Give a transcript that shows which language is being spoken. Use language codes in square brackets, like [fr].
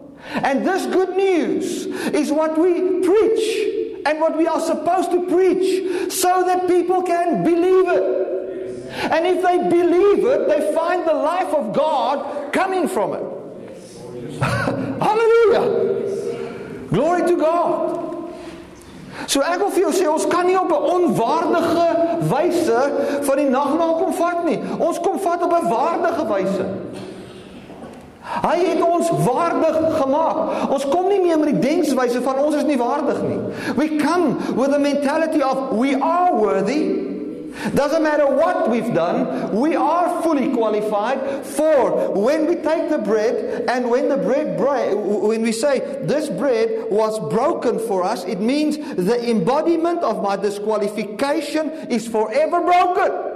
[en] And this good news is what we preach and what we are supposed to preach so that people can believe it. And if they believe it, they find the life of God coming from it. Hallelujah! Glory to God! [af] So ek wil vir jou sê, ons kan nie op 'n onwaardige wyse van die nagmaal kom vat nie. Ons kom vat op 'n waardige wyse. Hy het ons waardig gemaak. Ons kom nie meer met die denkwyse van ons is nie waardig nie. [en] We come with a mentality of we are worthy. Doesn't matter what we've done, we are fully qualified. For when we take the bread, and when the bread when we say this bread was broken for us, it means the embodiment of my disqualification is forever broken.